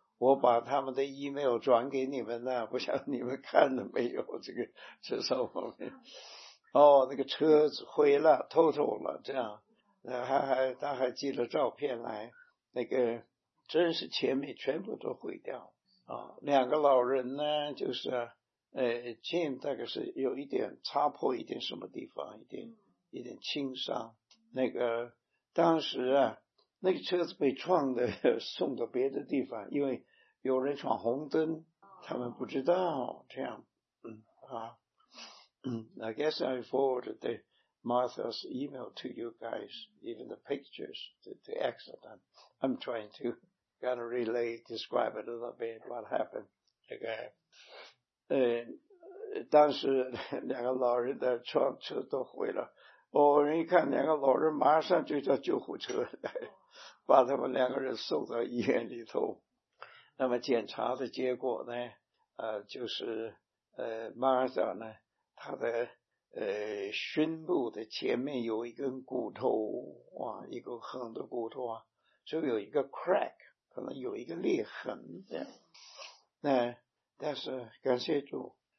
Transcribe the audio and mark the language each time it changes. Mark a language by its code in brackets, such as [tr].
[zh] 我把他们的 email 转给你们了，不晓得你们看了没有？这个至少我们哦，那个车子毁了，透透了，这样，他还寄了照片来，那个真是前面全部都毁掉啊、哦！两个老人呢，就是Jim 大概是有一点擦破一点什么地方，一点轻伤。那个当时啊，那个车子被撞的送到别的地方，因为。 有人闯红灯，他们不知道这样，嗯。 [en] I guess I forwarded the Martha's email to you guys, even the pictures, the accident. I'm trying to kind of relay, describe it a little bit, what happened. Okay. [zh] 但是两个老人的车就回来，哦，你看两个老人马上就叫救护车来，把他们两个人送到医院里头。那么检查的结果呢，就是马尔达呢，他的胸部的前面有一根骨头，哇，一个横的骨头，就有一个 crack， 可能有一个裂痕的。那但是感谢主。